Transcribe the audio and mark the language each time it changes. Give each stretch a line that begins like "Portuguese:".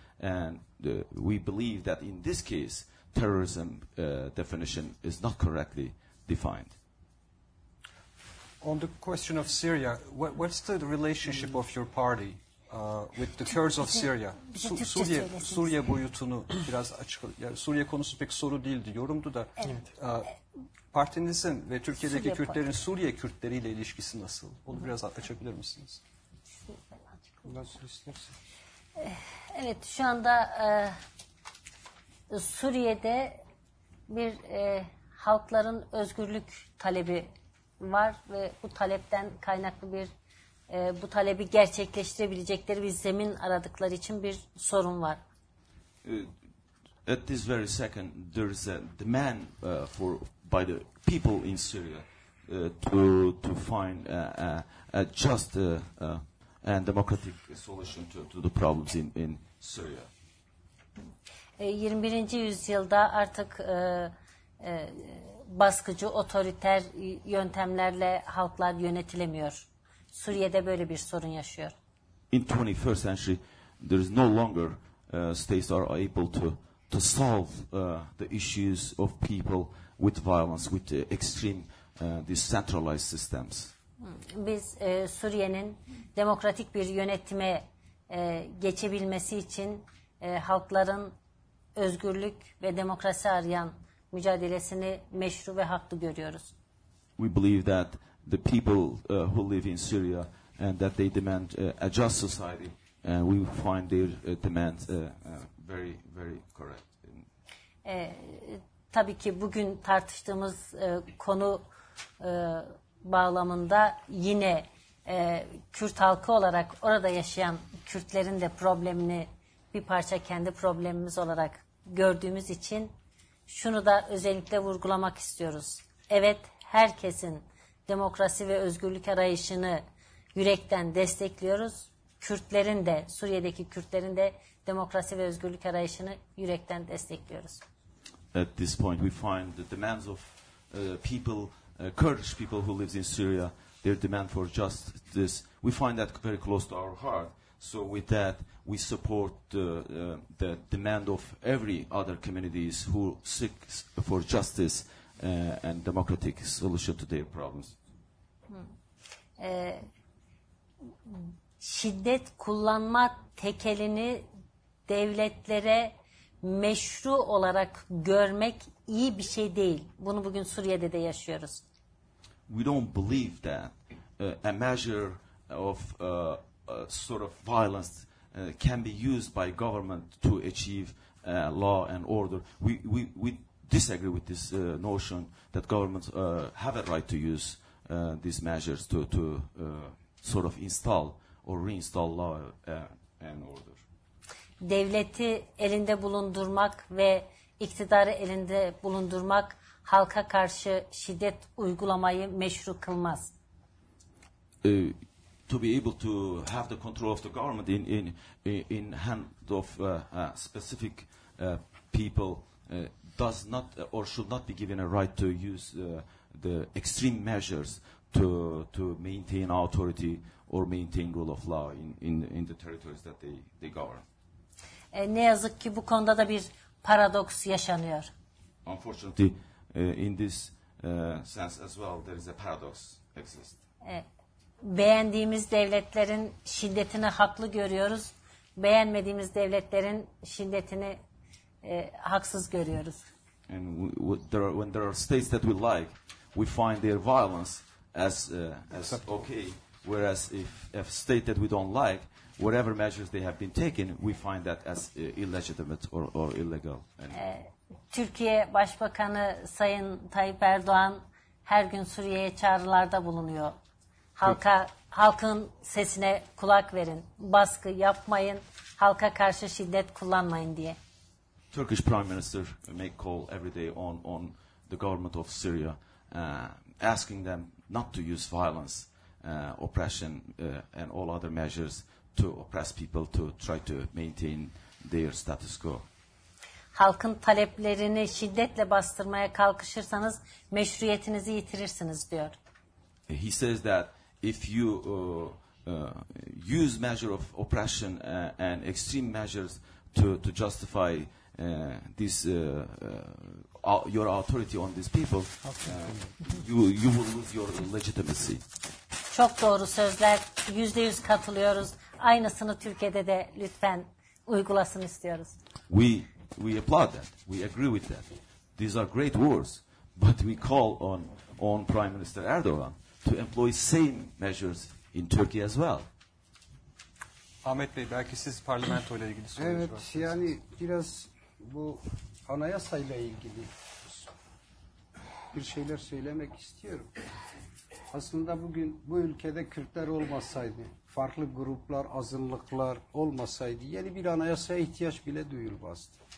English: And we believe that in this case, terrorism definition is not correctly defined. On the question of Syria, what's the relationship of your party with the Kurds of Syria?
Turkish: Suriye boyutunu biraz açıkla. Yani Suriye konusu pek soru değildi, yorumdu da. Evet. Partinizin ve Türkiye'deki Suriye Kürtlerin partisi. Suriye Kürtleriyle ilişkisi nasıl? Onu biraz açabilir misiniz? Evet, şu anda Suriye'de bir halkların özgürlük talebi var ve bu talepten kaynaklı bir bu talebi gerçekleştirebilecekleri bir zemin aradıkları için bir sorun var.
English: At this very second, there is a demand for by the people in Syria to find a just and democratic solution to the problems in Syria.
Turkish: 21. yüzyılda artık baskıcı otoriter yöntemlerle halklar yönetilemiyor. Suriye'de böyle bir sorun yaşıyor.
English: In 21st century, there is no longer states are able to solve the issues of people with violence, with extreme decentralized systems.
Turkish: Biz Suriye'nin demokratik bir yönetime geçebilmesi için halkların özgürlük ve demokrasi arayan mücadelesini meşru ve haklı görüyoruz.
English: We believe that the people who live in Syria and that they demand a just society, we find their demands very, very correct.
Turkish: Tabii ki bugün tartıştığımız konu bağlamında yine Kürt halkı olarak orada yaşayan Kürtlerin de problemini bir parça kendi problemimiz olarak gördüğümüz için şunu da özellikle vurgulamak istiyoruz. Evet, herkesin demokrasi ve özgürlük arayışını yürekten destekliyoruz. Kürtlerin de, Suriye'deki Kürtlerin de demokrasi ve özgürlük arayışını yürekten destekliyoruz.
English: At this point we find the demands of people, Kurdish people who lives in Syria, their demand for justice, we find that very close to our heart. So with that, we support the demand of every other communities who seek for justice and democratic solution to their problems.
Turkish: Şiddet kullanma tekelini devletlere meşru olarak görmek iyi bir şey değil. Bunu bugün Suriye'de de yaşıyoruz.
English: We don't believe that a measure of sort of violence can be used by government to achieve law and order. We disagree with this notion that governments have a right to use these measures to sort of install or reinstall law and order.
Turkish: Devleti elinde bulundurmak ve iktidarı elinde bulundurmak halka karşı şiddet uygulamayı meşru kılmaz.
English: To be able to have the control of the government in hand of specific people does not or should not be given a right to use the extreme measures to maintain authority or maintain rule of law in the territories that they govern.
Turkish: Ne yazık ki bu konuda da bir paradoks yaşanıyor.
English: Unfortunately, in this sense as well, there is a paradox exist.
Turkish: Beğendiğimiz devletlerin şiddetini haklı görüyoruz. Beğenmediğimiz devletlerin şiddetini haksız görüyoruz.
English: And when there are states that we like, we find their violence as okay. Whereas if state that we don't like, whatever measures they have been taken, we find that as illegitimate or illegal.
Turkish: Türkiye Başbakanı Sayın Tayyip Erdoğan her gün Suriye'ye çağrılarda bulunuyor. Halkın sesine kulak verin. Baskı yapmayın. Halka karşı şiddet kullanmayın diye.
English: Turkish Prime Minister make call every day on the government of Syria asking them not to use violence, oppression and all other measures to oppress people to try to maintain their status quo.
Turkish: Halkın taleplerini şiddetle bastırmaya kalkışırsanız meşruiyetinizi yitirirsiniz diyor.
English: He says that if you use measure of oppression and extreme measures to justify this your authority on these people, you will lose your legitimacy.
Turkish: Çok doğru sözler. %100 katılıyoruz. Aynısını Türkiye'de de lütfen uygulasın istiyoruz.
English: We applaud that. We agree with that. These are great words, but we call on Prime Minister Erdogan to employ same measures in Turkey as well.
Turkish: Ahmet Bey, belki siz parlamento ile ilgili soruyorsunuz. Evet, yani biraz bu anayasa ile ilgili bir şeyler söylemek istiyorum. Aslında bugün bu ülkede Kürtler olmasaydı, farklı gruplar, azınlıklar olmasaydı yeni bir anayasaya ihtiyaç bile duyulmazdı.